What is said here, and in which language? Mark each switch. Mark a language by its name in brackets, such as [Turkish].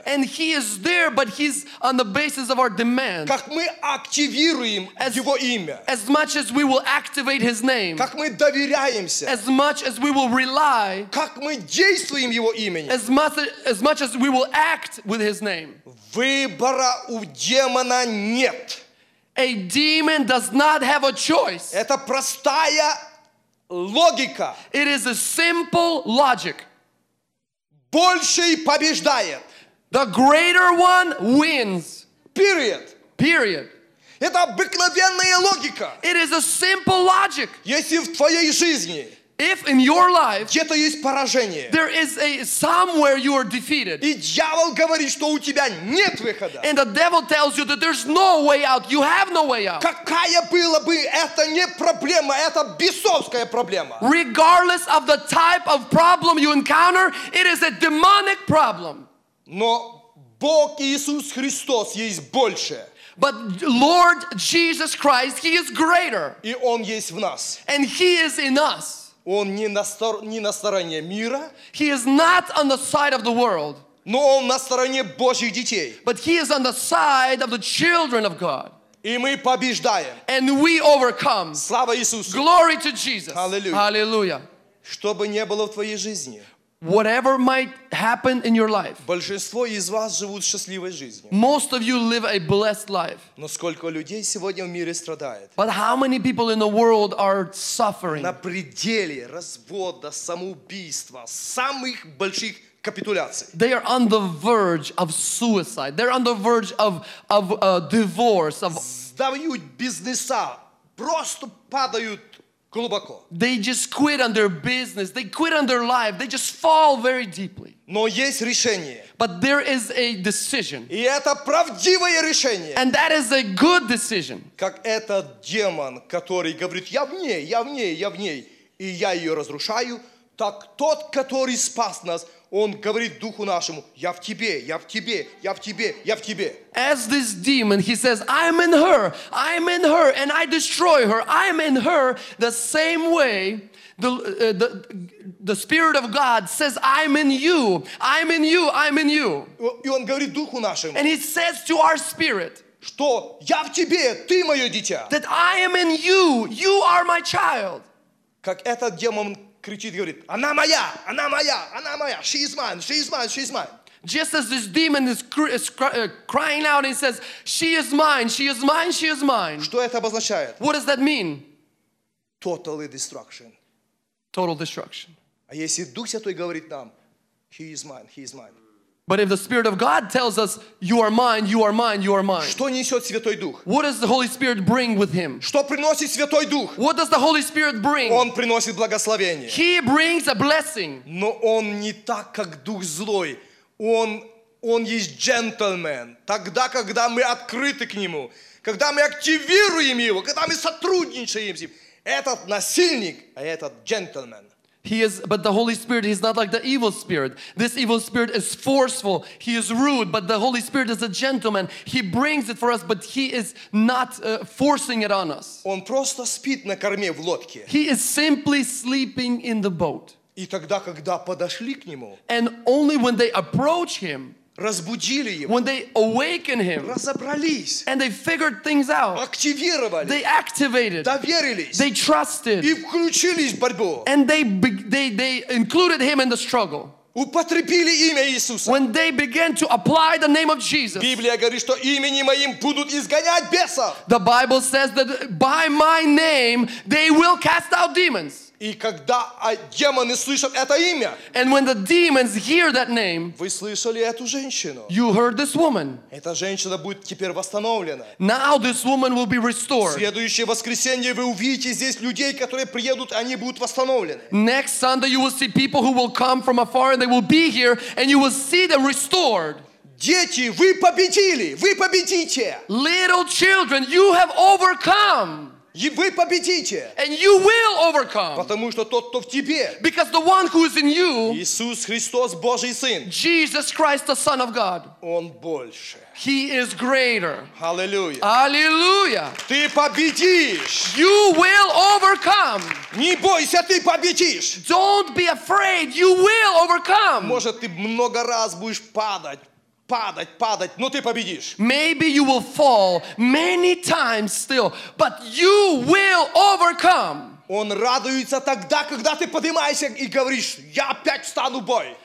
[English] And he is there, but he's on the basis of our demand. [Russian] Как мы активируем его имя. [English] As much as we will activate his name. [Russian] Как мы доверяемся. [English] As much as we will rely. [Russian] Как мы действуем его именем. [English] As much as we will act with his name. [Russian] Выбора у демона нет. [English] A demon does not have a choice. [Russian] Это простая логика. [English] It is a simple logic. [Russian] Больший побеждает. [English] The greater one wins. Period. Period. [Russian] Это обыкновенная логика. [English] It is a simple logic. [Russian] Если в твоей жизни... [English] If in your life [Russian] где-то есть поражение, [English] there is a somewhere you are defeated, [Russian] и дьявол говорит, что у тебя нет выхода, [English] and the devil tells you that there's no way out, you have no way out. [Russian] Какая была бы это не проблема, это бесовская проблема. [English] Regardless of the type of problem you encounter, it is a demonic problem. [Russian] Но Бог Иисус Христос есть больше. [English] But Lord Jesus Christ, he is greater. [Russian] И он есть в нас. [English] And he is in us. [Russian] Он не на стороне мира. [English] He is not on the side of the world. [Russian] Но он на стороне Божьих детей. [English] But he is on the side of the children of God. [Russian] И мы побеждаем. [English] And we overcome. [Russian] Слава Иисусу. [English] Glory to Jesus. Hallelujah. Hallelujah. [Russian] Что бы ни было в твоей жизни. [English] Whatever might happen in your life. [Russian] Большинство из вас живут счастливой жизнью. [English] Most of you live a blessed life. [Russian] Но сколько людей сегодня в мире страдает? [English] But how many people in the world are suffering? [Russian] На пределе развода, самоубийства, самых больших капитуляций. [English] They are on the verge of suicide. They're on the verge of divorce. Of... [Russian] Сдают бизнеса, просто падают. [English] They just quit on their business. They quit on their life. They just fall very deeply. [Russian] Но есть решение. [English] But there is a decision. [Russian] И это правдивое решение. [English] And that is a good decision. [Russian] Как этот демон, который говорит, я в ней, я в ней, я в ней, и я ее разрушаю, так тот, который спас нас, он говорит духу нашему, я в тебе, я в тебе, я в тебе, я в тебе. [English] As this demon, he says, I'm in her, and I destroy her, I'm in her. The same way the Spirit of God says, I'm in you, I'm in you, I'm in you. [Russian] И он говорит духу нашему. [English] And he says to our spirit, [Russian] что я в тебе, ты мое дитя. [English] That I am in you, you are my child. [Russian] Как этот демон кричит, говорит, она моя, она моя, она моя, [English] she is mine, she is mine, [Russian] she is mine. [English] Just as this demon is crying out and says, she is mine, she is mine, she is mine. [Russian] Что это обозначает? [English] What does that mean? Totally destruction. Total destruction. [Russian] А если Дух Святой говорит нам, [English] he is mine, he is mine. But if the Spirit of God tells us, you are mine, you are mine, you are mine. [Russian] Что несет Святой Дух? [English] What does the Holy Spirit bring with him? [Russian] Что приносит Святой Дух? [English] What does the Holy Spirit bring? [Russian] Он приносит благословение. [English] He brings a blessing. [Russian] Но он не так, как Дух злой. Он есть джентльмен. Тогда, когда мы открыты к нему, когда мы активируем его, когда мы сотрудничаем с ним, этот насильник, а этот джентльмен. [English] He is, but the Holy Spirit is not like the evil spirit. This evil spirit is forceful. He is rude, but the Holy Spirit is a gentleman. He brings it for us, but he is not forcing it on us. [Russian] Он просто спит на корме в лодке. [English] He is simply sleeping in the boat. [Russian] И тогда, когда подошли к нему, [English] and only when they approach him, [Russian] разбудили его, [English] when they awaken him, [Russian] разобрались, [English] and they figured things out, [Russian] активировали, [English] they activated, [Russian] доверились, [English] they trusted, [Russian] и включились в борьбу, [English] and they included him in the struggle. [Russian] Употребили имя Иисуса. [English] When they began to apply the name of Jesus. [Russian] Библия говорит, что именем моим будут изгонять бесов. [English] The Bible says that by my name they will cast out demons. [Russian] И когда демоны слышат это имя. [English] And when the demons hear that name. [Russian] Вы слышали эту женщину? [English] You heard this woman. [Russian] Эта женщина будет теперь восстановлена. [English] Now this woman will be restored. [Russian] Следующее воскресенье вы увидите здесь людей, которые приедут, они будут восстановлены. [English] Next Sunday you will see people who will come from afar and they will be here and you will see them restored. [Russian] Дети, вы победили, вы победите. [English] Little children, you have overcome. [Russian] И вы победите. [English] And you will overcome. [Russian] Потому что тот, кто в тебе. [English] Because the one who is in you. [Russian] Иисус Христос, Божий Сын. [English] Jesus Christ, the Son of God. [Russian] Он больше. [English] He is greater. Hallelujah. Hallelujah. [Russian] Ты победишь. [English] You will overcome. [Russian] Не бойся, ты победишь. [English] Don't be afraid. You will overcome. [Russian] Может, ты много раз будешь падать. Падать, падать, но ты победишь. [English] Maybe you will fall many times still, but you will overcome. [Russian] Он радуется тогда, когда ты поднимаешься и говоришь, я опять встану в бой.